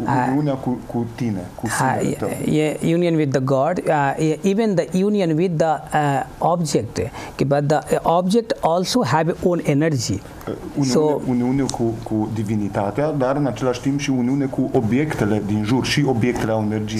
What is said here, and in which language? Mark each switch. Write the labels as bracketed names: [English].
[Romanian] Uniunea cu tine, cu sinele tău. [English] Union with the God, even the union with the object. But the object also have own energy. [Romanian] Uniune cu divinitatea, dar în același timp și uniune cu obiectele din jur și obiectele au energie.